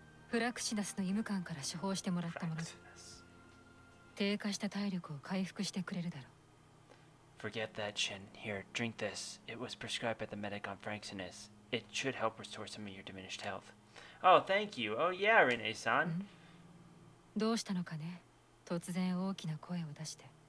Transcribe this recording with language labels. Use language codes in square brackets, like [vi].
[ja] フラクシナスの医務官から処方してもらったもの。低下した体力を回復してくれるだろう。 [en] Forget that, Shin. Here, drink this. It was prescribed by the medic on Franxinus. It should help restore some of your diminished health. Oh, thank you. Oh, yeah, Rinne-san. [ja] どうしたのかね。突然大きな声を出して。